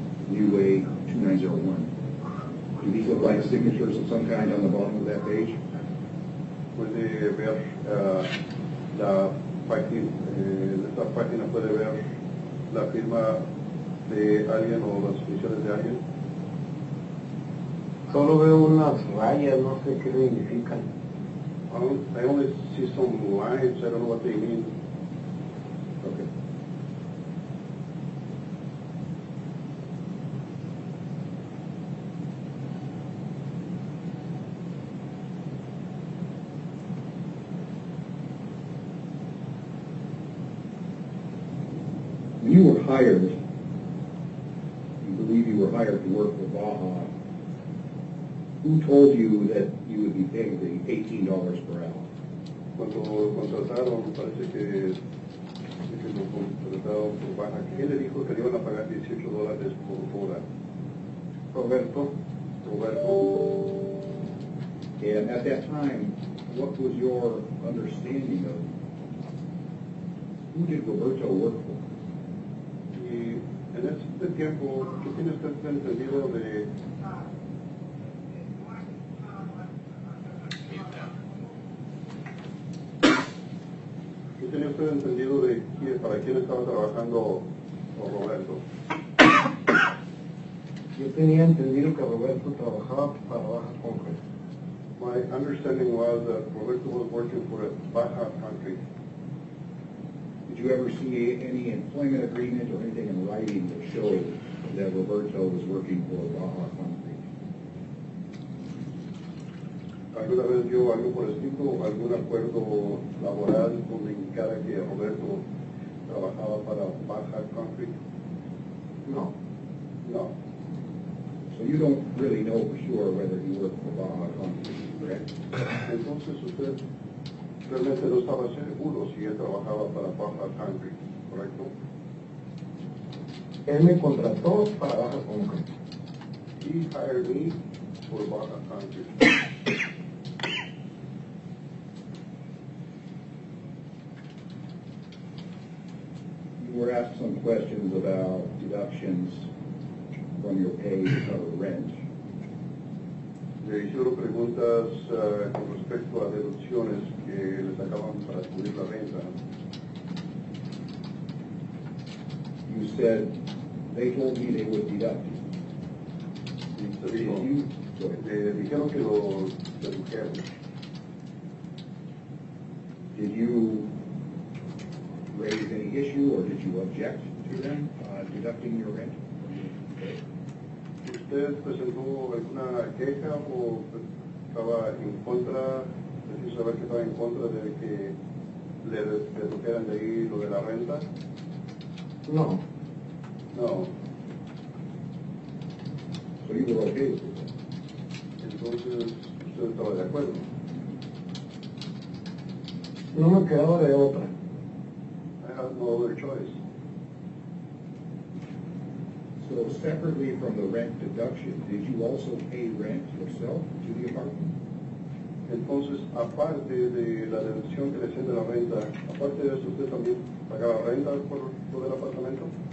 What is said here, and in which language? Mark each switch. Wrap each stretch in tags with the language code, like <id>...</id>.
<en>Newway 2901. Do these look like signatures of some kind on the bottom of that page?</en> <es>Puede ver la página, en esta página puede ver la firma de alguien o las funciones de alguien. Solo veo unas rayas, no sé qué significan.</es> <en>I only see some lines, I don't know what they mean. Okay. When you were hired, you believe you were hired to work for Baja, who told you that you would be paying the $18 per hour?</en> <es>Cuando contrataron, parece que lo contrataron por Baja. ¿Quién le dijo que le iban a pagar $18 por hora? Roberto.</es> <en>Roberto. And at that time, what was your understanding of who did Roberto work for?</en> <es>Y en ese tiempo, ¿qué tiene usted entendido de... ¿Tiene usted entendido de quién, para quién estaba trabajando Roberto? Yo tenía entendido que Roberto trabajaba para Baja Country.</es> <en>My understanding was that Roberto was working for Baja Country. Did you ever see any employment agreement or anything in writing that showed that Roberto was working for Baja Country?</en> <es>¿Alguna vez vio algo por escrito, algún acuerdo laboral donde indicara que Roberto trabajaba para Baja Country? No.</es> <en>No. So you don't really know for sure whether he worked for Baja Country, correct?</en> <es>Entonces usted realmente no estaba seguro si él trabajaba para Baja Country, correcto? Él me contrató para Baja Country.</es> <en>He hired me for Baja Country. We're asked some questions about deductions from your pay to cover rent.</en> <es>Le hicieron preguntas con respecto a deducciones que le sacaban para cubrir la renta.</es> <en>You said they told me they would deduct it.</en> <es>Y te dijo, dijeron que lo dedujeron.</es> <en>Did you raise any issue or did you object to them deducting your rent?</en> <es>¿Usted presentó alguna queja o estaba en contra, decir saber que estaba en contra de que le dedujeran de ahí lo de la renta? No.</es> <en>No. So you were okay with it?</en> <es>Entonces, ¿usted estaba de acuerdo? No me quedaba de otra.</es> <en>Have no other choice. So separately from the rent deduction, did you also pay rent yourself to the apartment?</en> <es>Entonces, aparte de la deducción que le hacen de la renta, aparte de eso, ¿usted también pagaba renta por todo el apartamento?</es>